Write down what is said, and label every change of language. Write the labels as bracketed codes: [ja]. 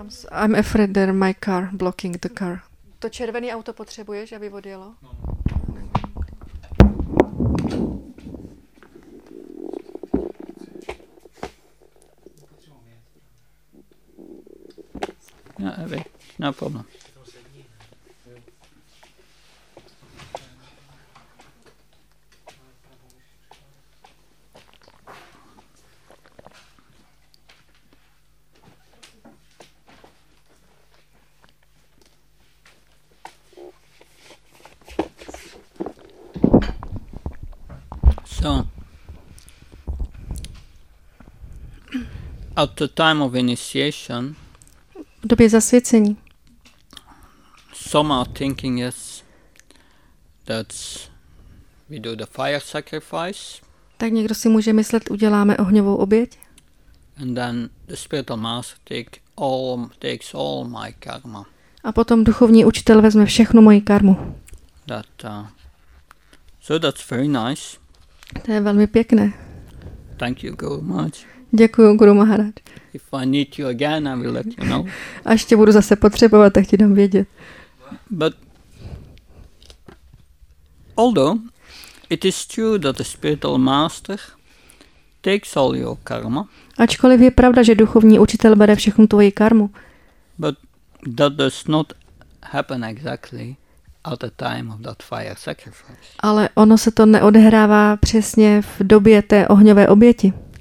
[en] I'm afraid that my car blocking the car. [cs] To červený auto potřebuješ, aby odjelo? [en] No problem. to at the time of initiation, [cs] v době zasvěcení, [en] some are thinking yes, that we do the fire sacrifice. [cs] Tak někdo si může myslet, uděláme ohňovou oběť. [en] And then the spiritual master takes all my karma. [cs] A potom duchovní učitel vezme všechnu moji karmu. [en] So that's very nice. [cs] To je velmi pěkné. [en] Thank you, Guru Maharaj. [cs] Děkuju, Guru Maharaj. [en] If I need you again, I will let you know. [cs] A ještě budu zase potřebovat, tak ti dám vědět. [en] But although it is true that the spiritual master takes all your karma. [cs] Ačkoliv je pravda, že duchovní učitel bere všechnu tvoji karmu. [en] But that does not happen exactly at the time of that fire sacrifice. [cs] Ale ono se to neodehrává přesně v době té ohňové oběti.